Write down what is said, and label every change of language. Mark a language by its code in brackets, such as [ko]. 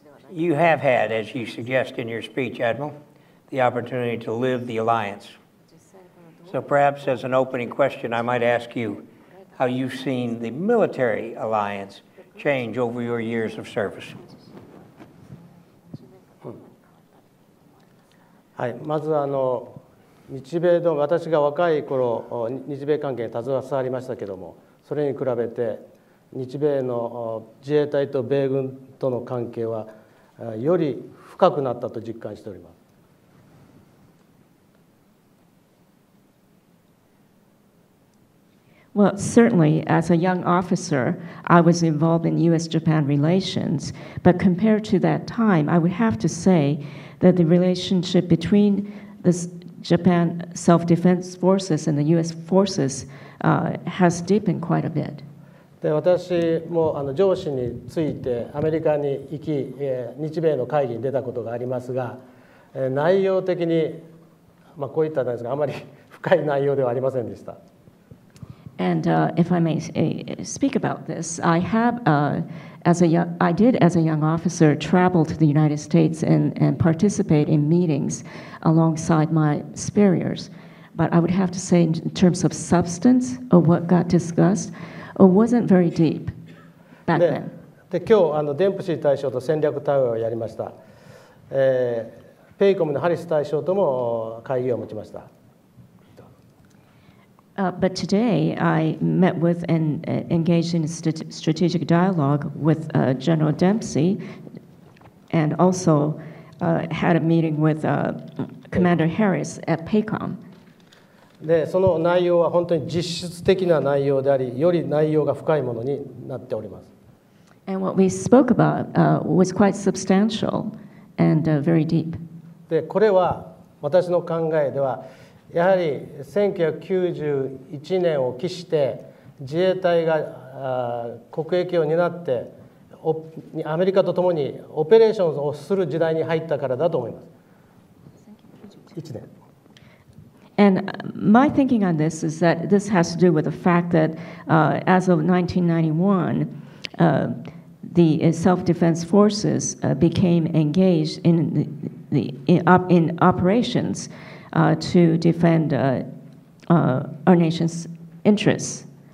[en] You have had, as you suggest in your speech, Admiral, the opportunity to live the alliance. So perhaps as an opening question, I might ask you how you've seen the military alliance change over your years of service. [ja] はい、まずあの日米の私が若い頃日米関係に携わりましたけども、それに比べて日米の自衛隊と米軍との関係はより深くなったと実感しております。 [en] Well, certainly, as a young officer, I was involved in U.S.-Japan relations. But compared to that time, I would have to say that the relationship between the Japan Self-Defense Forces and the U.S. forces has deepened quite a bit. [ja] で、私もあの上司についてアメリカに行き、日米の会議に出たことがありますが、内容的に、まあ、こういったですが、あまり深い内容ではありませんでした。 [en] And if I may speak about this, I have, as a young officer, travel to the United States and participate in meetings alongside my superiors. But I would have to say, in terms of substance or what got discussed, it wasn't very deep back then. [ja] で、今日あのデンプシー大将と戦略対話をやりました。ペイコムのハリス大将とも会議を持ちました。 [en] But today, I met with and engaged in strategic dialogue with General Dempsey, and also had a meeting with Commander Harris at PACOM. [ja] で、その内容は本当に実質的な内容であり、より内容が深いものになっております。 [en] And what we spoke about was quite substantial and very deep. [ja] で、これは私の考えでは、やはり1991年を期して自衛隊が国益を担ってアメリカと共にオペレーションをする時代に入ったからだと思います。 1年。 [en] And my thinking on this is that this has to do with the fact that as of 1991, the self-defense forces became engaged in operations to defend our nation's interests